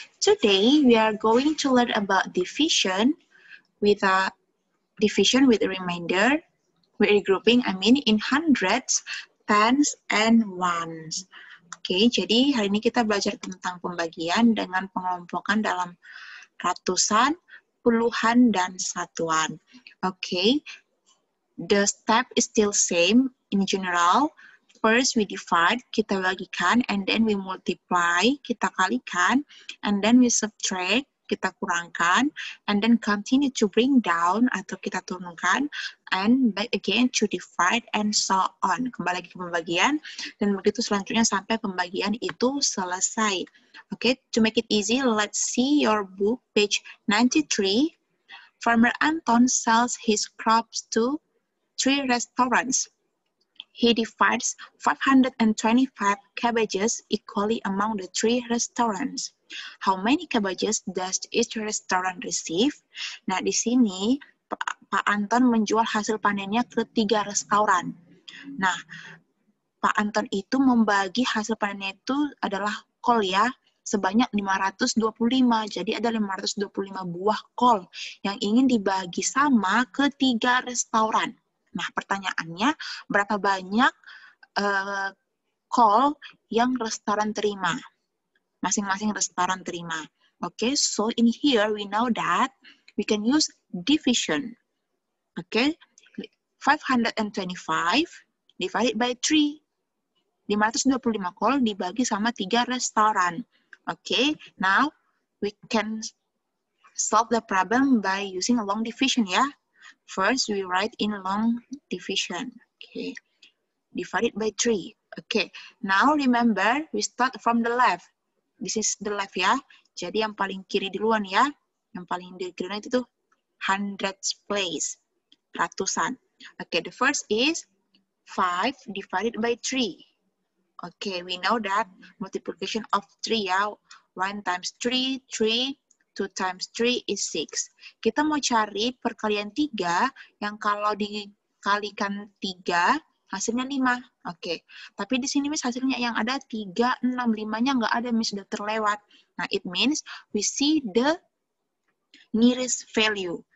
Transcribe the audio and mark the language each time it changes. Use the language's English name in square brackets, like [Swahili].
[English] Today we are going to learn about division with a division with a remainder, with regrouping, I mean in hundreds, tens, and ones. [Indonesian] Okay, jadi hari ini kita belajar tentang pembagian dengan pengelompokan dalam ratusan, puluhan, dan satuan. [English] Okay, the step is still same in general. First, we divide, [Indonesian] kita bagikan, [English] and then we multiply, [Indonesian] kita kalikan, [English] and then we subtract, [Indonesian] kita kurangkan, [English] and then continue to bring down, [Indonesian] atau kita turunkan, [English] and back again to divide, and so on. [Indonesian] Kembali ke pembagian, dan begitu selanjutnya sampai pembagian itu selesai. [English] Okay, to make it easy, let's see your book, page 93. Farmer Anton sells his crops to 3 restaurants. He divides 525 cabbages equally among the 3 restaurants. How many cabbages does each restaurant receive? [Indonesian] Nah, di sini Pak Anton menjual hasil panennya ke 3 restoran. Nah, Pak Anton itu membagi hasil panennya itu adalah kol ya, sebanyak 525. Jadi ada 525 buah kol yang ingin dibagi sama ke 3 restoran. Nah, pertanyaannya, berapa banyak call yang restoran terima? Masing-masing restoran terima. [English] Okay, so in here we know that we can use division. Okay, 525 divided by 3. [Indonesian] 525 call dibagi sama 3 restoran. [English] Okay, now we can solve the problem by using a long division, ya. First, we write in long division, okay, divided by 3, okay. Now, remember, we start from the left, this is the left, ya, [Indonesian] jadi yang paling kiri duluan, ya, yang paling di kiri itu tuh, [English] hundreds place, [Indonesian] ratusan. [English] Okay, the first is 5 divided by 3, okay, we know that multiplication of 3, ya, 1 times 3, 3, 2 times 3 is 6. [Indonesian] Kita mau cari perkalian 3 yang kalau dikalikan 3 hasilnya 5. Oke. Okay. Tapi di sini Miss hasilnya yang ada 3 6 5-nya enggak ada, Miss sudah terlewat. [English] Nah, it means we see the nearest value.